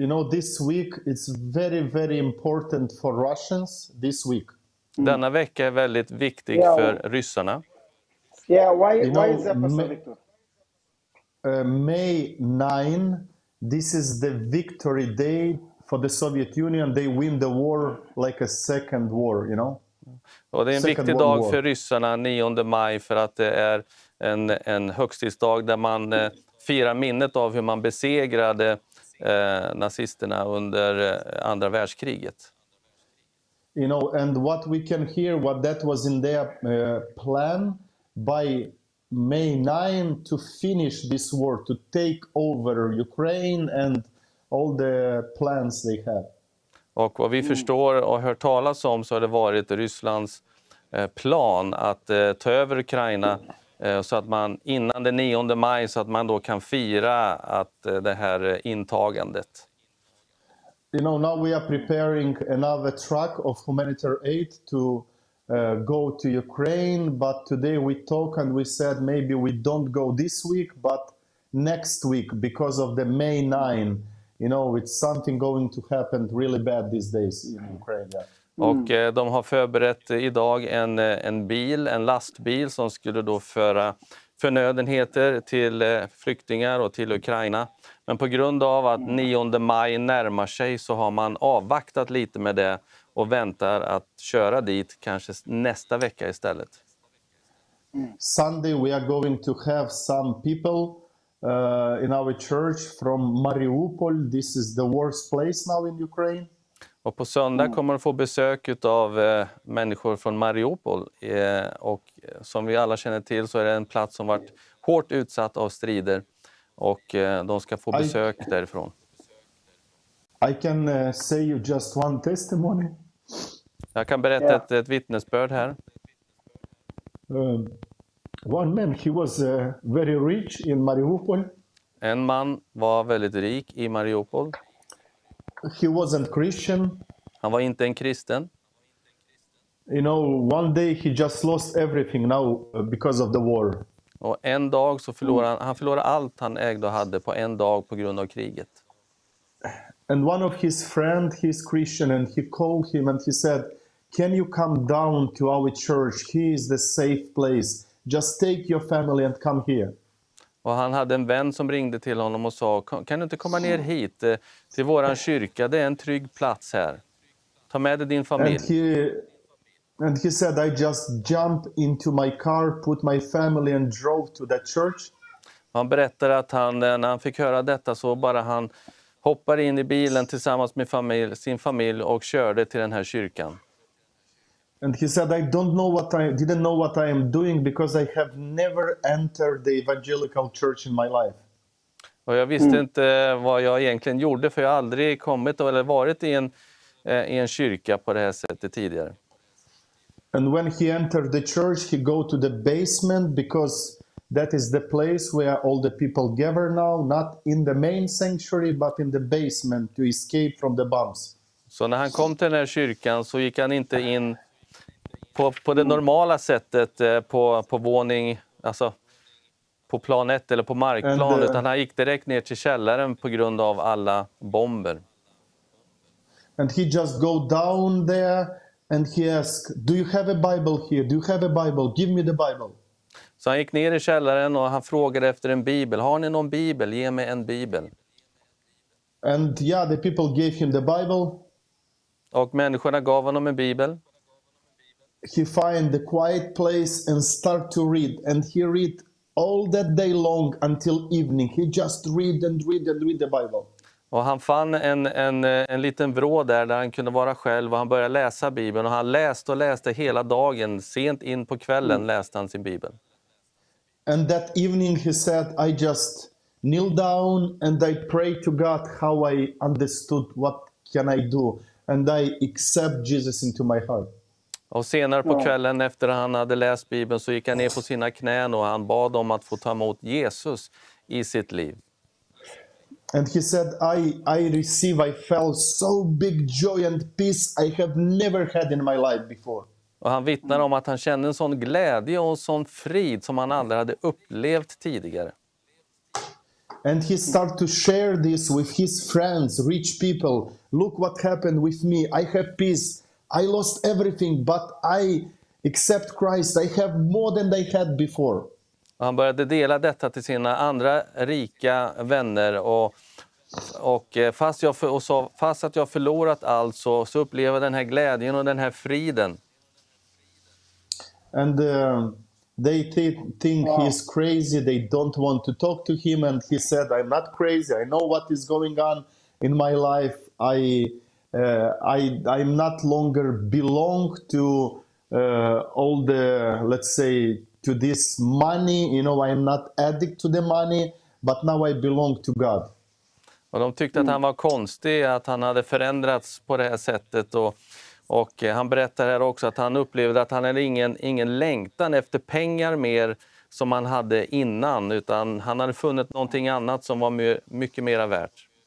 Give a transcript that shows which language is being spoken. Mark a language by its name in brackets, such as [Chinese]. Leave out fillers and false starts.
[English] This week it's very very important for Russians this week. [Swedish] Denna vecka är väldigt viktig för ryssarna. [English] Why is that, Pastor Victor? May 9, this is the victory day for the Soviet Union. They win the war like a second war, you know. [Swedish] Och det är en viktig dag för ryssarna 9 maj för att det är en högtidsdag där man firar minnet av hur man besegrade nazisterna under andra världskriget. [English] You know, and what we can hear, what that was in their plan by May 9 to finish this war, to take over Ukraine and all the plans they have. [Swedish] Och vad vi förstår och hört talas om så har det varit Rysslands plan att ta över Ukraina så att man innan den 9 maj så att man då kan fira att det här intagandet. [English] You know, now we are preparing another truck of humanitarian aid to go to Ukraine, but today we talk and we said maybe we don't go this week but next week because of the May 9. You know, it's something going to happen really bad these days in Ukraine. Yeah. [Swedish] Och de har förberett idag en bil, en lastbil som skulle då föra förnödenheter till flyktingar och till Ukraina. Men på grund av att 9 maj närmar sig så har man avvaktat lite med det och väntar att köra dit kanske nästa vecka istället. [English] Sunday we are going to have some people in our church from Mariupol. This is the worst place now in Ukraine. [Swedish] Och på söndag kommer att få besök av människor från Mariupol. Och som vi alla känner till så är det en plats som varit hårt utsatt av strider. Och de ska få besök därifrån. [English] I can say you just one testimony. [Swedish] Jag kan berätta ett vittnesbörd här. [English] One man, he was very rich in Mariupol. [Swedish] En man var väldigt rik i Mariupol. [English] He wasn't Christian. [Swedish] Han var inte en kristen. [English] You know, one day he just lost everything now because of the war. [Swedish] Och en dag så förlorar han förlorar allt han ägde och hade på en dag på grund av kriget. [English] And one of his friend, he's Christian, and he called him and he said, "Can you come down to our church? He is the safe place. Just take your family and come here." [Swedish] Och han hade en vän som ringde till honom och sa, "Kan du inte komma ner hit till våran kyrka? Det är en trygg plats här. Ta med dig din familj." [English] And he said, "I just jump into my car, put my family and drove to that church." [Swedish] Han berättade att han när han fick höra detta så bara han hoppade in i bilen tillsammans med sin familj och körde till den här kyrkan. [English] And he said, "I didn't know what I am doing because I have never entered the evangelical church in my life." [Swedish] Och jag visste inte vad jag egentligen gjorde, för jag aldrig kommit eller varit i en kyrka på det här sättet tidigare. [English] And when he entered the church, he go to the basement because that is the place where all the people gather now, not in the main sanctuary but in the basement to escape from the bombs. [Swedish] Så när han kom till den här kyrkan så gick han inte in på det normala sättet på våning, alltså på plan 1 eller på markplan, utan han gick direkt ner till källaren på grund av alla bomber. [English] And he just go down there and he ask, "Do you have a Bible here? Do you have a Bible? Give me the Bible." [Swedish] Så han gick ner i källaren och han frågade efter en bibel. "Har ni någon bibel? Ge mig en bibel." [English] And yeah, the people gave him the Bible. [Swedish] Och människorna gav honom en bibel. [English] He find the quiet place and start to read, and he read all that day long until evening. He just read the Bible. [Swedish] Och han fann en liten vrå där han kunde vara själv, och han började läsa Bibeln, och han läste och läste hela dagen. Sent in på kvällen läste han sin Bibel. [English] And that evening he said, "I just kneel down and I pray to God how I understood what can I do and I accept Jesus into my heart." [Swedish] Och senare på kvällen efter han hade läst Bibeln så gick han ner på sina knän och han bad om att få ta emot Jesus i sitt liv. [English] And he said, I felt so big joy and peace I have never had in my life before. [Swedish] Och han vittnar om att han kände en sån glädje och en sån frid som han aldrig hade upplevt tidigare. [English] And he started to share this with his friends, rich people. "Look what happened with me. I have peace. I lost everything, but I accept Christ. I have more than they had before." [Swedish] Han började dela detta till sina andra rika vänner och fast att jag förlorat allt så upplevde den här glädjen och den här friden. [English] And they think he's crazy. They don't want to talk to him. And he said, "I'm not crazy. I know what is going on in my life. I'm not longer belong to all the, let's say, to this money. You know, I'm not addict to the money, but now I belong to God." [Swedish] Och de tyckte att han var konstig, att han hade förändrats på det här sättet, och han berättar här också att han upplevde att han är ingen längtan efter pengar mer som han hade innan, utan han hade funnit någonting annat som var mycket mer värt.